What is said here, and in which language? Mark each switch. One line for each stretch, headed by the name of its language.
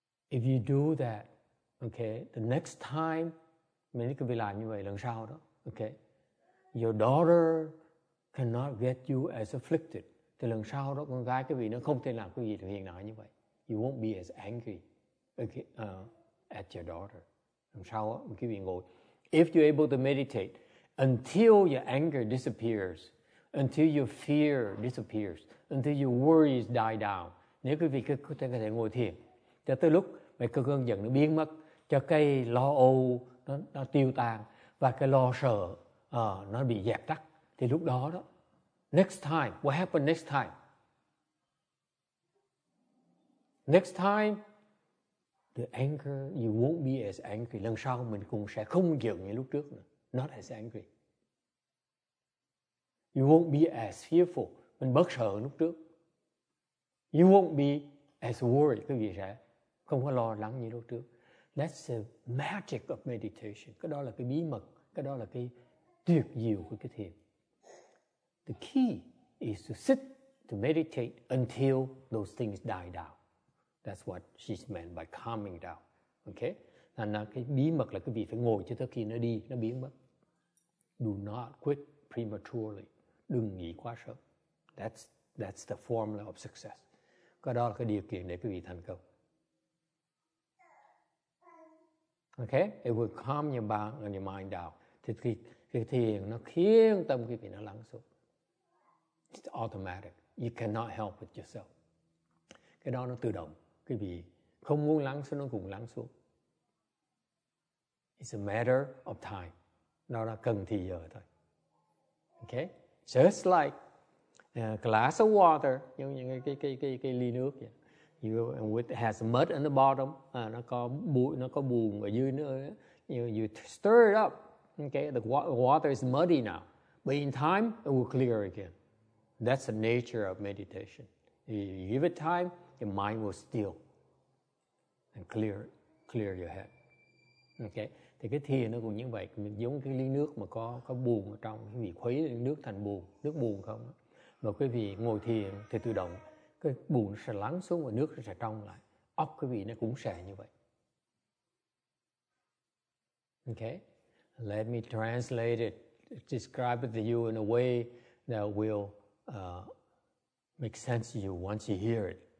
English: If you do that, okay, the next time,
Vietnamese: mình cứ bị làm như vậy lần sau đó,
English: okay, your daughter cannot get you as afflicted.
Vietnamese: Thì lần sau đó, con gái cái vị nó không thể làm cái gì được hiện nào như vậy.
English: You won't be as angry, okay, at your daughter.
Vietnamese: Lần sau đó, cái vị ngồi.
English: If you're able to meditate until your anger disappears, until your fear disappears, until your worries die down.
Vietnamese: Nếu quý vị có thể ngồi thiền, cho tới lúc mấy cơn giận nó biến mất, cho cái lo âu nó tiêu tan, và cái lo sợ nó bị dẹp tắt, thì lúc đó đó,
English: next time, what happened next time? Next time, the anger, you won't be as angry.
Vietnamese: Lần sau mình cũng sẽ không giận như lúc trước nữa.
English: Not as angry. You won't be as fearful.
Vietnamese: Mình bớt sợ lúc trước.
English: You won't be as worried.
Vietnamese: Cái gì sẽ không có lo lắng như lúc trước.
English: That's the magic of meditation.
Vietnamese: Cái đó là cái bí mật. Cái đó là cái tuyệt diệu của cái thiền.
English: The key is to sit to meditate until those things die down. That's what she's meant by calming down. Okay?
Vietnamese: Thành ra cái bí mật là cái gì phải ngồi cho tới khi nó đi, nó biến mất.
English: Do not quit prematurely.
Vietnamese: Đừng nghĩ quá sớm.
English: That's the formula of success.
Vietnamese: Cái đó là cái điều kiện để quý vị thành công.
English: Okay? It will calm your mind and your mind down.
Vietnamese: Thì cái thiền nó khiến tâm quý vị nó lắng xuống.
English: It's automatic. You cannot help it yourself.
Vietnamese: Cái đó nó tự động. Quý vị không muốn lắng xuống, nó cũng lắng xuống.
English: It's a matter of time.
Vietnamese: Nó là cần thì giờ thôi. Okay?
English: Just like a glass of water,
Vietnamese: như những cái ly nước, vậy.
English: You with has mud in the bottom,
Vietnamese: nó có bụi, nó có bùn ở dưới nữa.
English: You stir it up, okay? The water is muddy now, but in time it will clear again. That's the nature of meditation. You give it time, your mind will still and clear your head. Okay.
Vietnamese: Thì cái thiền nó cũng như vậy, giống cái ly nước mà có bùn ở trong, quý vị khuấy nước thành bùn, nước bùn không? Và quý vị ngồi thiền thì tự động cái bùn sẽ lắng xuống và nước sẽ trong lại. Óc quý vị nó cũng sẽ như vậy.
English: Okay, let me translate it, describe it to you in a way that will make sense to you once you hear it.